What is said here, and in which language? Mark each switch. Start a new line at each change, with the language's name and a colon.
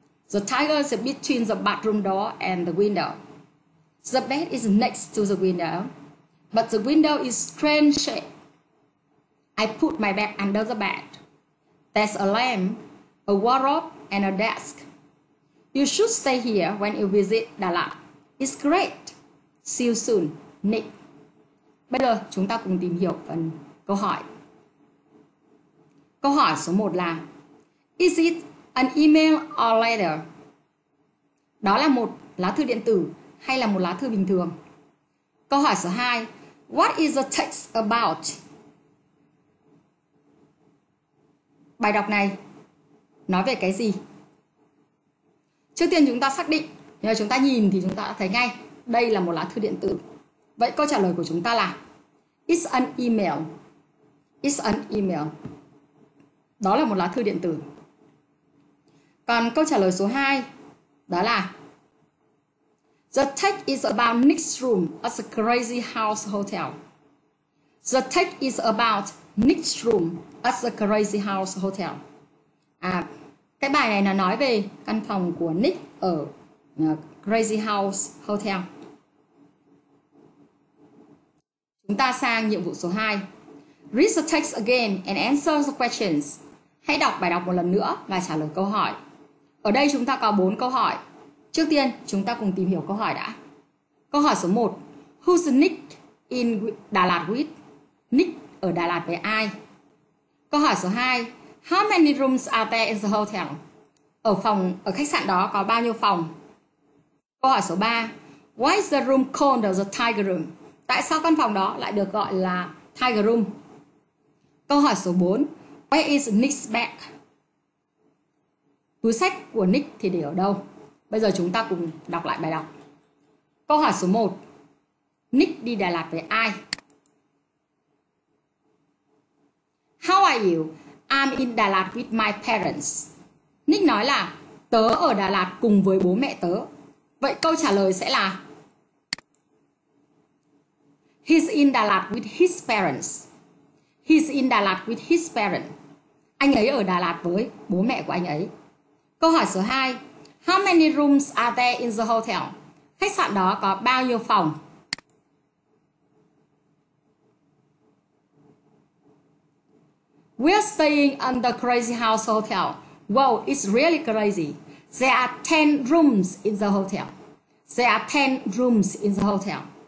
English: The tiger is between the bathroom door and the window. The bed is next to the window, but the window is strange shape. I put my bag under the bed. There's a lamp, a wardrobe, and a desk. You should stay here when you visit Đà Lạt. It's great. See you soon, Nick.
Vietnamese: Bây giờ chúng ta cùng tìm hiểu phần câu hỏi. Câu hỏi số 1 là
English: Is it an email or letter?
Vietnamese: Đó là một lá thư điện tử hay là một lá thư bình thường? Câu hỏi số 2
English: What is the text about?
Vietnamese: Bài đọc này nói về cái gì? Trước tiên chúng ta xác định, nếu chúng ta nhìn thì chúng ta đã thấy ngay đây là một lá thư điện tử. Vậy câu trả lời của chúng ta là
English: It's an email. It's an email.
Vietnamese: Đó là một lá thư điện tử. Còn câu trả lời số 2 đó là
English: The text is about Nick's room at the Crazy House Hotel. The text is about Nick's room at the Crazy House Hotel.
Vietnamese: Cái bài này là nói về căn phòng của Nick ở Crazy House Hotel. Chúng ta sang nhiệm vụ số 2.
English: Read the text again and answer the questions.
Vietnamese: Hãy đọc bài đọc một lần nữa và trả lời câu hỏi. Ở đây chúng ta có 4 câu hỏi. Trước tiên chúng ta cùng tìm hiểu câu hỏi đã. Câu hỏi số 1.
English: Who's Nick in Đà Lạt with?
Vietnamese: Nick ở Đà Lạt với ai? Câu hỏi số 2.
English: How many rooms are there in the hotel?
Vietnamese: Ở khách sạn đó có bao nhiêu phòng? Câu hỏi số 3.
English: Why is the room called the Tiger Room?
Vietnamese: Tại sao căn phòng đó lại được gọi là Tiger Room? Câu hỏi số 4.
English: Where is Nick's bag?
Vietnamese: Túi sách của Nick thì để ở đâu? Bây giờ chúng ta cùng đọc lại bài đọc. Câu hỏi số 1. Nick đi Đà Lạt với ai?
English: How are you? I'm in Đà Lạt with my parents.
Vietnamese: Nick nói là tớ ở Đà Lạt cùng với bố mẹ tớ. Vậy câu trả lời sẽ là
English: He's in Đà Lạt with his parents. He's in Đà Lạt with his parents.
Vietnamese: Anh ấy ở Đà Lạt với bố mẹ của anh ấy. Câu hỏi số 2.
English: How many rooms are there in the hotel?
Vietnamese: Khách sạn đó có bao nhiêu phòng?
English: We're staying at the Crazy House Hotel. Wow, it's really crazy. There are 10 rooms in the hotel. There are 10 rooms in the hotel.